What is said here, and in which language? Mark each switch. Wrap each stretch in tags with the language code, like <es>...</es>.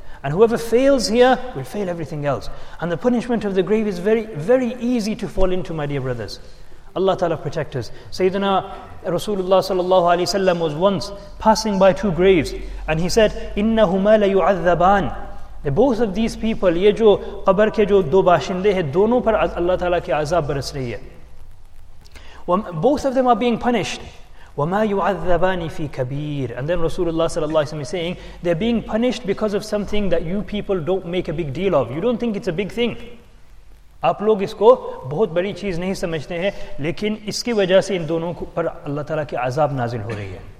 <en>And whoever fails here will fail everything else. And the punishment of the grave is very, very easy to fall into, my dear brothers. Allah Ta'ala protect us. Sayyidina Rasulullah sallallahu alayhi wa sallam was once passing by two graves. And he said,</en> <ar>"Innahuma layu'adhaban."</ar> <en>Both of these people,</en> <ur>یہ جو قبر کے جو دو باشندے ہیں دونوں پر اللہ تعالیٰ کی عذاب برس رہی ہے.</ur> <en>Both of them are being punished.</en> <ar>وَمَا يُعَذَّبَانِ فِي كَبِيرٍ.</ar> <en>And then Rasulullah صلی اللہ علیہ وسلم is saying, they're being punished because of something that you people don't make a big deal of. You don't think it's a big thing.</en> <ur>آپ لوگ اس کو بہت بڑی چیز نہیں سمجھتے ہیں, لیکن اس کی وجہ سے ان دونوں پر اللہ تعالیٰ کی عذاب نازل ہو رہی ہے.</ur>